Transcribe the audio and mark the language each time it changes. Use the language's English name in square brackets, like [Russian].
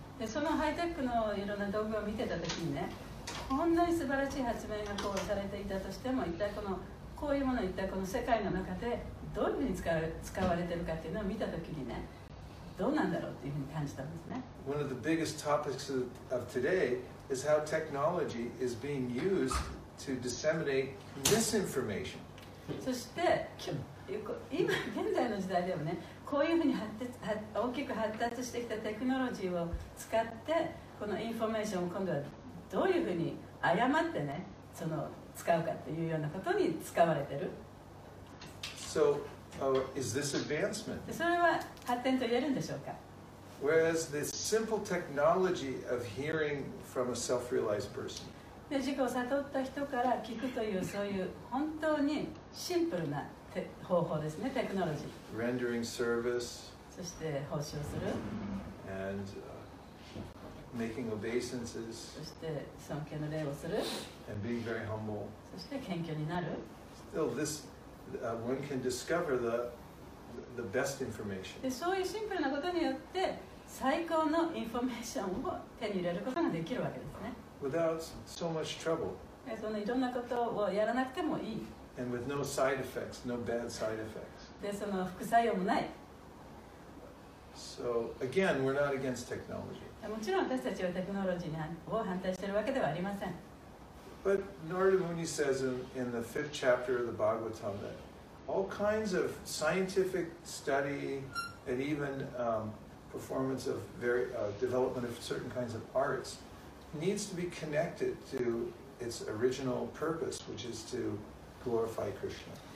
[Japanese] でそのハイテクのいろんな道具を見てた時にね、こんなに素晴らしい発明がこうされていたとしても、一体こういうものを一体この世界の中でどういうふうに使われているかっていうのを見たときにね、どうなんだろうっていうふうに感じたんですね。 [English] One of the biggest topics of today is how technology is being used to disseminate misinformation. [Japanese] そして今現在の時代ではね、こういうふうに大きく発達してきたテクノロジーを使ってこのインフォメーションを今度はどういうふうに誤ってね、その使うかというようなことに使われている。 [English] So, is this advancement? [Japanese] それは発展と言えるんでしょうか? [English] Whereas the simple technology of hearing from a self-realized person. [Japanese] で、自己を悟った人から聞くというそういう本当にシンプルな方法ですね、テクノロジー。 [English] Rendering service. [Japanese] そして奉仕をする。 [English] And,making obeisances, [Japanese] そして尊敬の礼をする、 [English] and being very humble. [Japanese] そして謙虚になる。 [English] Still, this, one can discover the best information. [Japanese] で、そういうシンプルなことによって最高のインフォメーションを手に入れることができるわけですね。 [English] Without so much trouble. [Japanese] で、そのいろんなことをやらなくてもいい。 [English] And with no side effects, no bad side effects. [Japanese] で、その副作用もない。 [English] So, again, we're not against technology. [Japanese] もちろん私たちはテクノロジーを反対しているわけではありません。 [English] But Narada Muni says in the fifth chapter of the Bhagavatam that all kinds of scientific study and even performance of very development of certain kinds of arts needs to be connected to its original purpose, which is to glorify Krishna.